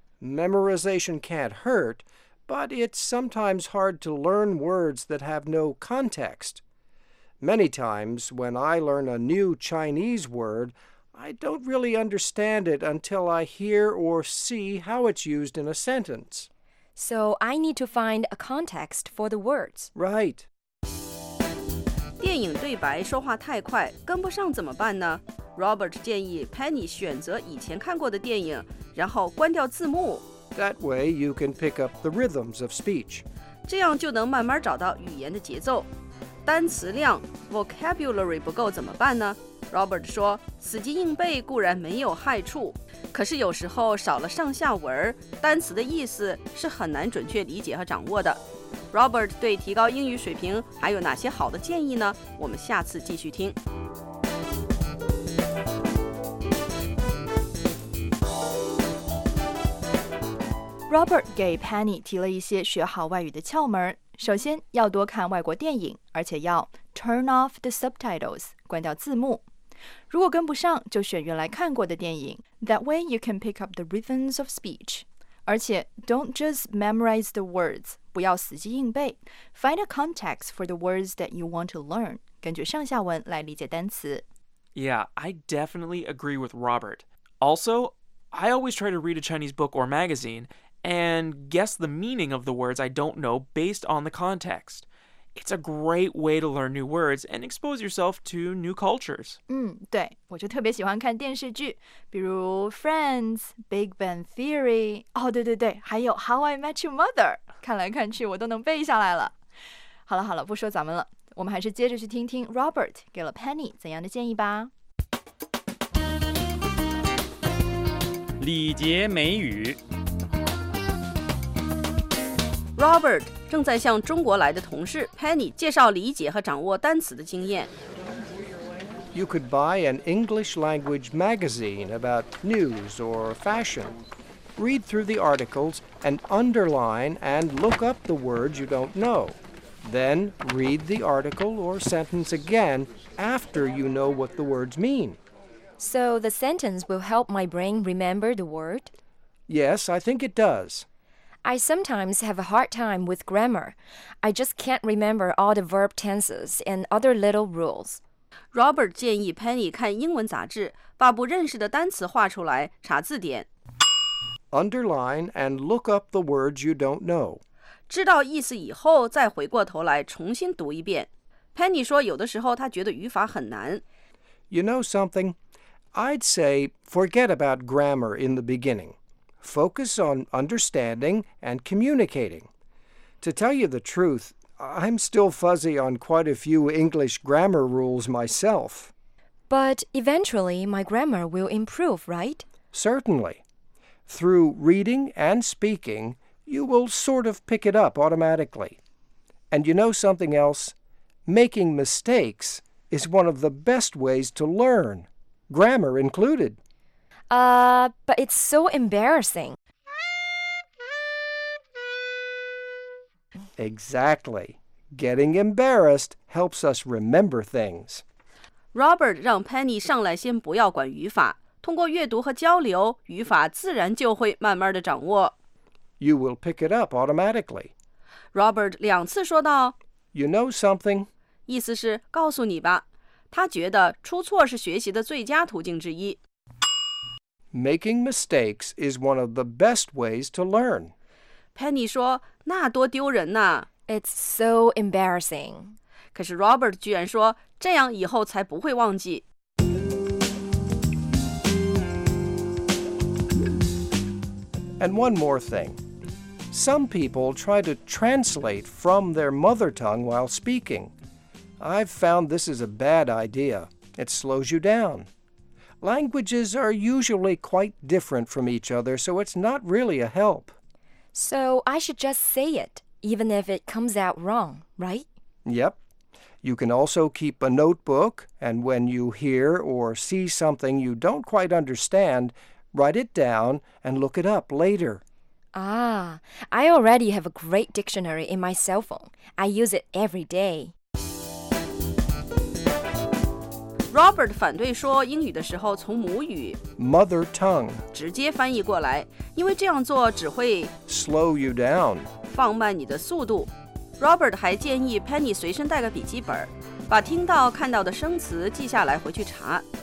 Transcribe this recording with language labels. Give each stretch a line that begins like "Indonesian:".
English: Memorization can't hurt, but it's sometimes hard to learn words that have no context. Many times, when I learn a new Chinese word, I don't really understand it until I hear or see how it's used in a sentence. So I need to find a context for the words. Right.
Chinese: 电影对白说话太快，跟不上怎么办呢？ Robert 建议 Penny 选择以前看过的电影，然后关掉字幕。
English: That way you can pick up the rhythms of speech.
Chinese: 这样就能慢慢找到语言的节奏。单词量 vocabulary 不够怎么办呢 ？Robert 说，死记硬背固然没有害处，可是有时候少了上下文，单词的意思是很难准确理解和掌握的。 Robert 对提高英语水平还有哪些好的建议呢？我们下次继续听。 Robert 给 Penny 提了一些学好外语的窍门。首先要多看外国电影，而且要
English: turn off the subtitles,
Chinese: 关掉字幕。如果跟不上，就选原来看过的电影。
English: That way you can pick up the rhythms of speech.
Chinese: 而且
English: don't just memorize the words,
Chinese: 不要死记硬背。
English: Find a context for the words that you want to learn,
Chinese: 根据上下文来理解单词。
English: Yeah, I definitely agree with Robert. Also, I always try to read a Chinese book or magazine,and guess the meaning of the words I don't know based on the context. It's a great way to learn new words and expose yourself to new cultures.
Chinese: 对，我就特别喜欢看电视剧，比如 Friends, Big Bang Theory, 哦，对对对，还有 How I Met Your Mother, 看来看去我都能背下来了。好了好了，不说咱们了，我们还是接着去听听 Robert 给了 Penny 怎样的建议吧。礼节美语 Robert 正在向中国来的同事 Penny 介绍理解和掌握单词的经验。
English: You could buy an English language magazine about news or fashion. Read through the articles and underline and look up the words you don't know. Then read the article or sentence again after you know what the words mean. So the sentence will help my brain remember the word? Yes, I think it does. I sometimes have a hard time with grammar. I just can't remember all the verb tenses and other little rules.
Chinese: Robert 建议 Penny 看英文杂志，把不认识的单词画出来，查字典。
English: Underline and look up the words you don't know.
Chinese: 知道意思以后，再回过头来重新读一遍。 Penny 说，有的时候他觉得语法很难。
English: You know something? I'd say forget about grammar in the beginning. Focus on understanding and communicating. To tell you the truth, I'm still fuzzy on quite a few English grammar rules myself. But eventually my grammar will improve, right? Certainly. Through reading and speaking, you will sort of pick it up automatically. And you know something else? Making mistakes is one of the best ways to learn, grammar included. But it's so embarrassing. Exactly. Getting embarrassed helps us remember things.
Chinese: Robert 让 Penny 上来先不要管语法，通过阅读和交流，语法自然就会慢慢的掌握。
English: You will pick it up automatically.
Chinese: Robert 两次说道，
English: You know something?
Chinese: 意思是告诉你吧。他觉得出错是学习的最佳途径之一。
English: Making mistakes is one of the best ways to learn.
Chinese: Penny 说，那多丢人呐。
English: It's so embarrassing.
Chinese: 可是 Robert 居然说，这样以后才不会忘记。
English: And one more thing. Some people try to translate from their mother tongue while speaking. I've found this is a bad idea. It slows you down. Languages are usually quite different from each other, so it's not really a help. So I should just say it, even if it comes out wrong, right? Yep. You can also keep a notebook, and when you hear or see something you don't quite understand, write it down and look it up later. Ah, I already have a great dictionary in my cell phone. I use it every day.
Chinese: Robert 反对说英语的时候从母语
English: Mother tongue
Chinese: 直接翻译过来，因为这样做只会
English: Slow you down
Chinese: 放慢你的速度。 Robert 还建议 Penny 随身带个笔记本，把听到看到的生词记下来回去查。